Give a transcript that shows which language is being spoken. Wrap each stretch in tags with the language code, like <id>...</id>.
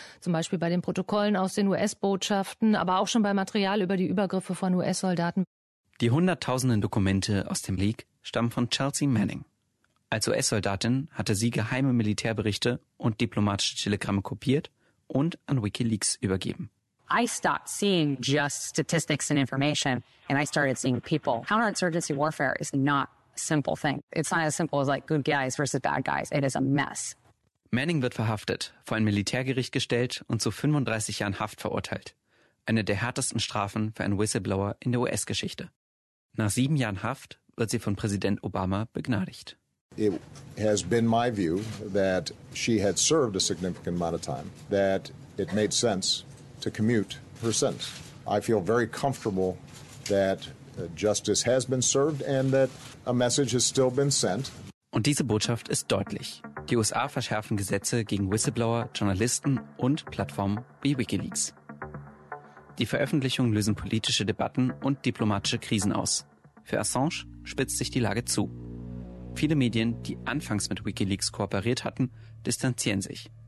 <de>Zum Beispiel bei den Protokollen aus den US-Botschaften, aber auch schon bei Material über die Übergriffe von US-Soldaten. Die hunderttausenden Dokumente aus dem Leak stammen von Chelsea Manning. Als US-Soldatin hatte sie geheime Militärberichte und diplomatische Telegramme kopiert und an WikiLeaks übergeben.</de> <en>I stopped seeing just statistics and information and I started seeing people. Counterinsurgency warfare is not a simple thing. It's not as simple as like good guys versus bad guys. It is a mess.</en> <de>Manning wird verhaftet, vor ein Militärgericht gestellt und zu 35 Jahren Haft verurteilt. Eine der härtesten Strafen für einen Whistleblower in der US-Geschichte. Nach 7 Jahren Haft wird sie von Präsident Obama begnadigt.</de> <en>It has been my view that she had served a significant amount of time, that it made sense to commute her sentence. I feel very comfortable that justice has been served and that a message has still been sent.</en> <de>Und diese Botschaft ist deutlich. Die USA verschärfen Gesetze gegen Whistleblower, Journalisten und Plattformen wie WikiLeaks. Die Veröffentlichungen lösen politische Debatten und diplomatische Krisen aus. Für Assange spitzt sich die Lage zu. Viele Medien, die anfangs mit WikiLeaks kooperiert hatten, distanzieren sich.</de>